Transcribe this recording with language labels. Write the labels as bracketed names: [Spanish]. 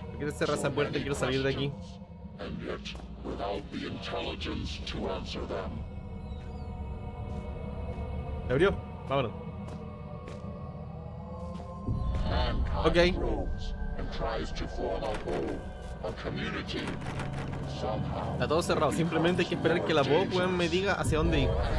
[Spanish] Quiero cerrar esa puerta, quiero salir de aquí. [English] And yet, without the intelligence to answer them. [Spanish] ¿Se abrió? Vámonos. [English] Okay. Grows and tries to form a home, a community. Somehow, [Spanish] está todo cerrado, simplemente hay que esperar que la voz weón me diga hacia dónde ir.